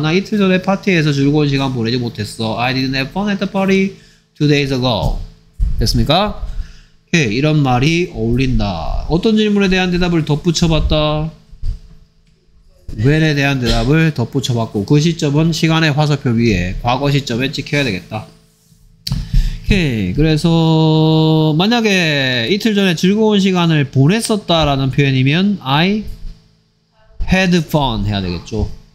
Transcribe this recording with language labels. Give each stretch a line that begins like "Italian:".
Korean: 나 이틀 전에 파티에서 즐거운 시간 보내지 못했어.
English: I didn't have fun at the party two days ago.
Korean: 됐습니까? 오케이. 이런 말이 어울린다. 어떤 질문에 대한 대답을 덧붙여봤다? when에 대한 대답을 덧붙여봤고 그 시점은 시간의 화살표 위에 과거 시점에 찍혀야 되겠다. 오케이. 그래서 만약에 이틀 전에 즐거운 시간을 보냈었다라는 표현이면
English: I had fun
Korean: 해야 되겠죠.